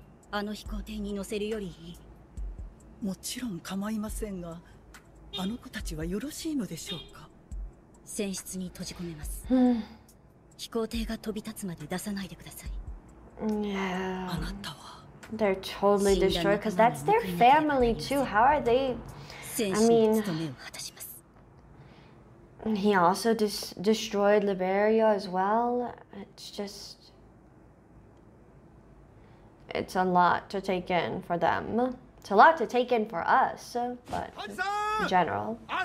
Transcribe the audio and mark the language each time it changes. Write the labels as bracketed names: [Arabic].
[Japanese] あの飛行艇に乗せるよりいい。もちろん構いませんが、あの子たちはよろしいのでしょうか。船室に閉じ込めます。飛行艇が飛び立つまで出さないでください。あなたは [English] They're totally destroyed because that's their family too. How are they? [Japanese] 戦士の務めを果たします。 [English] He also destroyed Liberia as well. It's justIt's a lot to take in for them. It's a lot to take in for us, but in general.